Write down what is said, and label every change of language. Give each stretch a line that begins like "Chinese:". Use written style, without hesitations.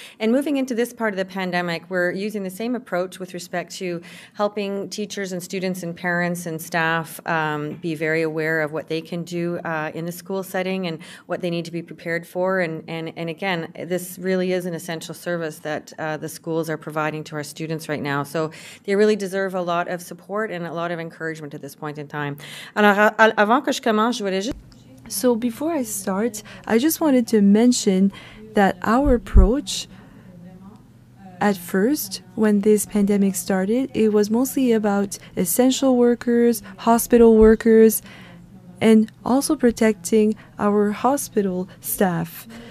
English: And moving into this part of the pandemic, we're using the same approach with respect to helping teachers and students and parents and staff be very aware of what they can do in the school setting and what they need to be prepared for. And again, this really is an essential service that the schools are providing to our students right now. So they really deserve a lot of support and a lot of encouragement at this point in time.
French: Alors, avant que je commence, je voulais juste...
English: So before I start, I just wanted to mention that our approach at first, when this pandemic started, it was mostly about essential workers, hospital workers, and also protecting our hospital staff.